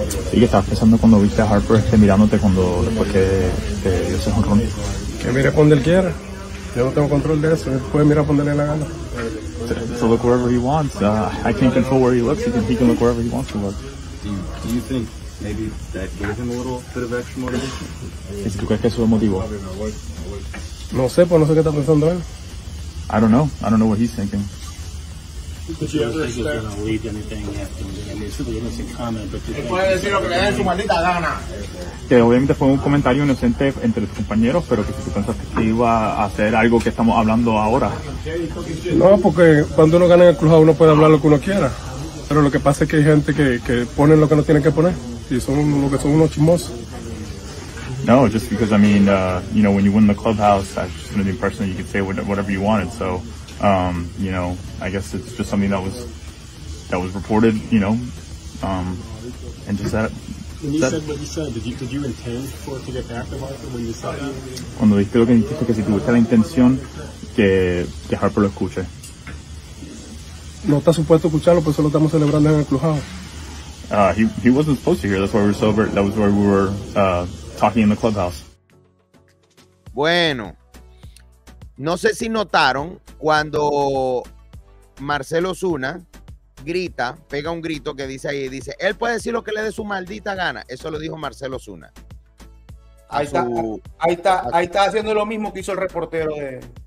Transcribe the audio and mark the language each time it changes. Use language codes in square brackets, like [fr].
[es] Sí, que estabas pensando cuando viste a Harper mirándote cuando después que dio ese jonrón. Que mire cuando él quiera. Yo no tengo control de eso. Él puede mirar cuando le dé la gana. [en] To look wherever he wants. I can't control where he looks. He can look wherever he wants to look. Do you think maybe that gave him a little bit of extra motivation? [es] ¿Y si tú crees que eso lo motivó? No sé, pues no sé qué está pensando él. [en] I don't know what he's thinking. [es] Que obviamente fue un comentario inocente entre los compañeros, pero que si tú pensaste que iba a hacer algo que estamos hablando ahora. No, porque cuando uno gana en el club, uno puede hablar lo que uno quiera. Pero lo que pasa es que hay gente que pone lo que no tiene que poner, y son lo que son unos chismosos. [en] No, just because, I mean, you know, when you win the clubhouse, I'm just going to be personal, you could say whatever you wanted. So, you know, I guess it's just something that was reported, you know, and just that. When you said what you said, did you intend for it to get back to Harper when you saw him? [es] Cuando dije lo que dijiste, que si tuviste la intención que Harper lo escuche. No está supuesto escucharlo, pues solo estamos celebrando en el clubhouse. [en] He wasn't supposed to hear, that's why we were sober, that was why we were, talking in the clubhouse. [es] Bueno, no sé si notaron cuando Marcelo Osuna grita, pega un grito que dice ahí, dice, él puede decir lo que le dé su maldita gana. Eso lo dijo Marcelo Osuna. Ahí está haciendo lo mismo que hizo el reportero de...